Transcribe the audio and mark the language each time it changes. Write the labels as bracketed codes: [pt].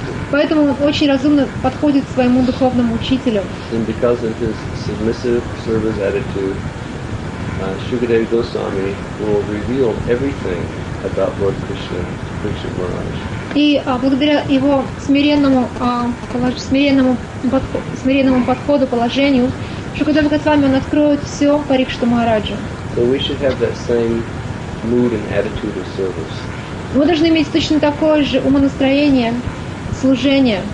[ru] Поэтому он очень разумно подходит к своему духовному учителю. [en] И because of his submissive service attitude, Shukadeva Goswami will reveal everything about Lord Krishna to Parikshit Maharaj. [ru] И благодаря его смиренному подходу, положению, Шукадева Госвами он откроет все Парикшиту Махараджу. [en] So we should have that same mood and attitude of service. [ru] Мы должны иметь точно такое же умонастроение служения.